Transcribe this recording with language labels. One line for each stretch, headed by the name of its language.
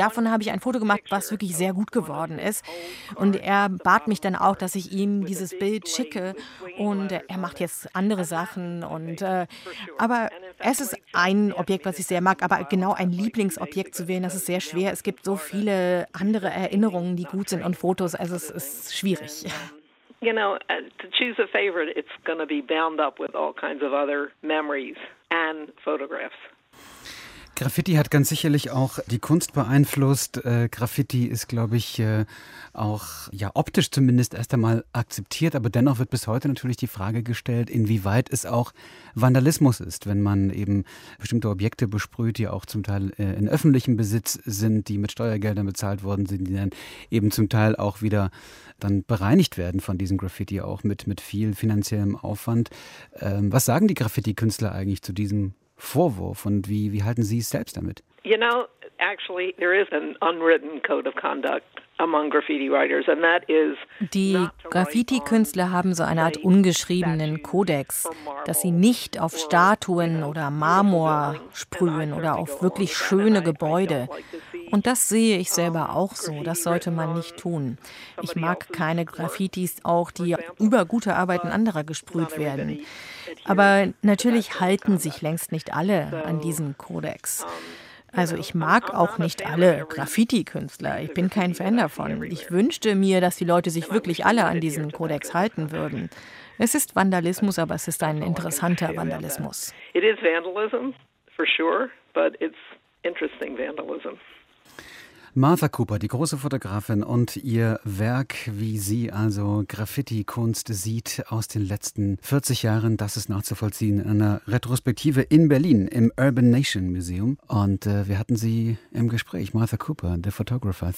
German: Davon habe ich ein Foto gemacht, was wirklich sehr gut geworden ist. Und er bat mich dann auch, dass ich ihm dieses Bild schicke und er macht jetzt andere Sachen. Aber es ist ein Objekt, was ich sehr mag, aber genau ein Lieblingsobjekt zu wählen, das ist sehr schwer. Es gibt so viele andere Erinnerungen, die gut sind und Fotos, also es ist schwierig.
English: You know, to choose a favorite, it's going to be bound up with all kinds of other memories and photographs.
German: Graffiti hat ganz sicherlich auch die Kunst beeinflusst. Graffiti ist, glaube ich, auch ja optisch zumindest erst einmal akzeptiert. Aber dennoch wird bis heute natürlich die Frage gestellt, inwieweit es auch Vandalismus ist, wenn man eben bestimmte Objekte besprüht, die auch zum Teil in öffentlichem Besitz sind, die mit Steuergeldern bezahlt worden sind, die dann eben zum Teil auch wieder dann bereinigt werden von diesem Graffiti auch mit viel finanziellem Aufwand. Was sagen die Graffiti-Künstler eigentlich zu diesem Vorwurf und wie halten Sie es selbst damit?
English: You know, actually, there is an unwritten code of conduct.
German: Die Graffiti-Künstler haben so eine Art ungeschriebenen Kodex, dass sie nicht auf Statuen oder Marmor sprühen oder auf wirklich schöne Gebäude. Und das sehe ich selber auch so. Das sollte man nicht tun. Ich mag keine Graffitis auch, die über gute Arbeiten anderer gesprüht werden. Aber natürlich halten sich längst nicht alle an diesen Kodex. Also ich mag auch nicht alle Graffiti-Künstler. Ich bin kein Fan davon. Ich wünschte mir, dass die Leute sich wirklich alle an diesen Kodex halten würden. Es ist Vandalismus, aber es ist ein interessanter Vandalismus.
English: It is vandalism, for sure, but it's interesting vandalism.
German: Martha Cooper, die große Fotografin und ihr Werk, wie sie also Graffiti-Kunst sieht aus den letzten 40 Jahren, das ist nachzuvollziehen in einer Retrospektive in Berlin im Urban Nation Museum. Und wir hatten sie im Gespräch, Martha Cooper,
English: the photographer.